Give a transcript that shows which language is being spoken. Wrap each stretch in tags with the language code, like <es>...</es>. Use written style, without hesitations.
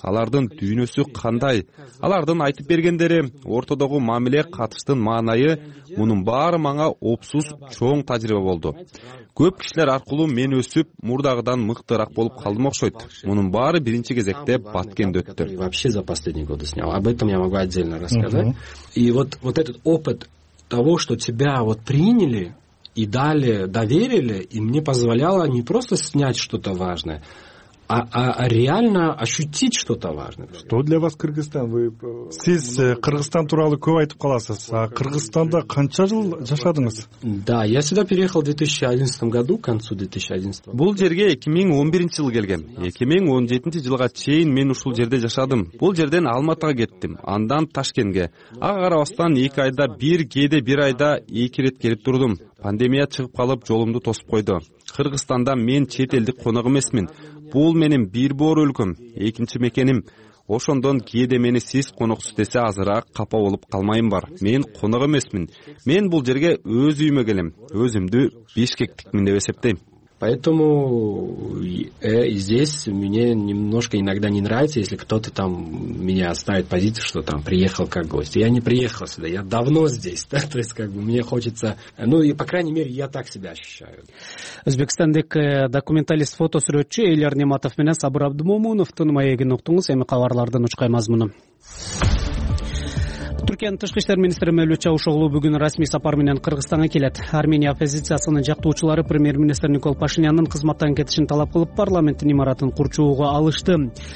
<ky>Алардын дүйнөсү кандай? Алардын айтып бергендери, ортодогу мамиле катыштын маанайы, мунун баары мага опсуз чоң тажрыйба болду. Көп кишилер аркылуу мен өсүп, мурдагыдан мыктыраак болуп калдым окшойт. Мунун баары биринчи кезекте Баткенде өттү.</ky> <ru>Вообще за последний год снял. Об этом я могу отдельно рассказать. И вот этот опыт того, что тебя вот приняли и дали, доверили, и мне позволяло не просто снять что-то важное, а реально ощутить что-то важное. Что для вас Кыргызстан?</ru> <ky>Вы сиз Кыргызстан туралуу көп айтып каласыз. А Кыргызстанда канча жыл жашадыңыз?</ky> <ru>Да, я сюда переехал в 2011 году, к концу 2011.</ru> <ky>Бул жерге 2011 жылы келгем. 2017 жылга чейин мен ушул жерде жашадым. Бул жерден Алматыга кеттим, андан Ташкенге. Ага карабастан 2 айда бир, кээде бир айда 2 ирет келип турдум. Пандемия чыгып калып жолумду тосуп койду. Кыргызстанда мен чет элдик конок эмесмин. Бул менин бир боор өлкөм, экинчи мекеним. Ошондон кээде мени сиз коноксуз десе азыраак капа болуп калмайым бар. Мен конок эмесмин. Мен бул жерге өз үйүмө келем. Өзүмдү бишкектикмин деп эсептейм.</ky> <ru>Поэтому здесь мне немножко иногда не нравится, если кто-то там меня ставит позицию, что там приехал как гость. Я не приехал сюда, я давно здесь. Да? То есть, как бы мне хочется, ну и по крайней мере, я так себя ощущаю.</ru> <ky>Өзбекстандагы документалист фотосүрөтчү Эльяр Нематов менен Сабыр Абдымомуновтун маегин уктуңуз, эми кабарлардын учкай мазмуну. Түркиянын тышкы иштер министри Мевлют Чавушоглу бүгүн расмий сапар менен Кыргызстанга келет. Армения оппозициясынын жактоочулары премьер-министр Никол Пашинянын кызматтан кетишин талап кылып, парламенттин имаратын курчоого алышты.</ky>